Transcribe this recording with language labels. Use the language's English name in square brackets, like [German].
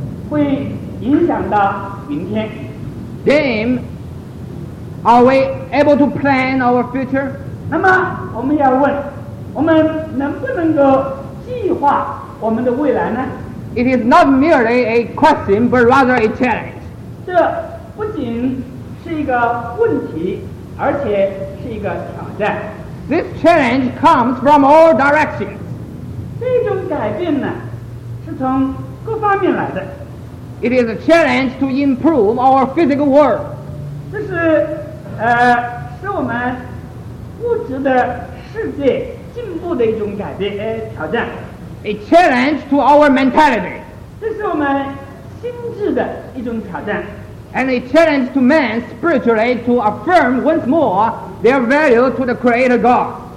[Chinese] 你今天所做的会影响到明天。 [English] Then, are we able to plan our future? [Chinese] 那么我们要问，我们能不能够计划我们的未来呢？ [English] It is not merely a question, but rather a challenge. [Chinese] 这不仅是一个问题，而且是一个挑战。 [English] This challenge comes from all directions. [Chinese] 这种改变呢，是从各方面来的。 [English] It is a challenge to improve our physical world. [Chinese] 这是使我们 物质的世界进步的一种挑战。 [English] A challenge to our mentality. [Chinese] 这是我们心智的一种挑战。 [English] And a challenge to man spiritually to affirm once more their value to the Creator God.